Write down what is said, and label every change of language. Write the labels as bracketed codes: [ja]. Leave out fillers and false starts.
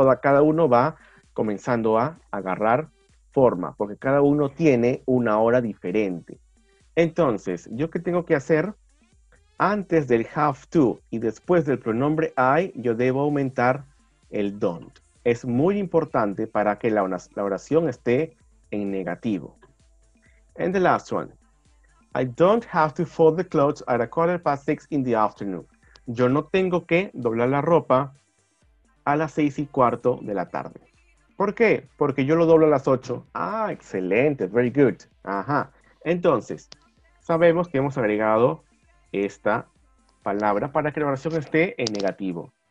[es] Cada uno va comenzando a agarrar forma, porque cada uno tiene una hora diferente. Entonces, ¿yo qué tengo que hacer? Antes del have to y después del pronombre I, yo debo aumentar el don't. Es muy importante para que la oración esté en negativo. [en] And the last one. I don't have to fold the clothes at 6:15 in the afternoon. [es] Yo no tengo que doblar la ropa a 6:15 de la tarde. ¿Por qué? Porque yo lo doblo a 8:00. Ah, excelente. [en] Very good. [es] Ajá. Entonces, sabemos que hemos agregado esta palabra para que la oración esté en negativo.